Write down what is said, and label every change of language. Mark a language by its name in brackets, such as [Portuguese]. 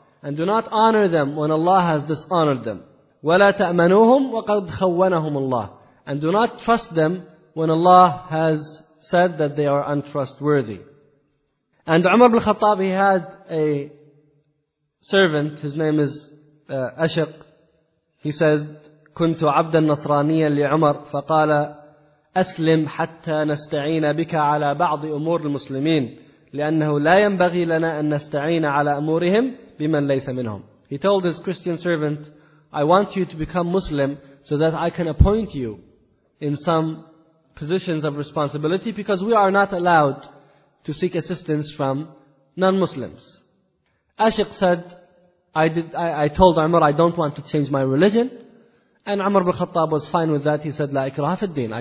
[English] And do not honor them when Allah has dishonored them. [Arabic] وَلَا تَأْمَنُوهُمْ وَقَدْ خَوَّنَهُمُ اللَّهُ. [English] And do not trust them when Allah has said that they are untrustworthy. And Umar ibn Khattab, he had a servant, his name is Ashiq. He says, [Arabic] كُنْتُ عَبْدًا نَصْرَانِيًا لِعُمَرْ فَقَالَ أَسْلِمْ حَتَّى نَسْتَعِينَ بِكَ عَلَى بَعْضِ أُمُورِ الْمُسْلِمِينَ لأنه لا ينبغي لنا أن نستعين على أمورهم بمن ليس منهم. [English] He told his Christian servant, "I want you to become Muslim so that I can appoint you in some positions of responsibility because we are not allowed to seek assistance from non-Muslims." Ashiq said, "I told Umar, I don't want to change my religion," and Umar bin Khattab was fine with that. He said, [Arabic] "La ikraha fi din.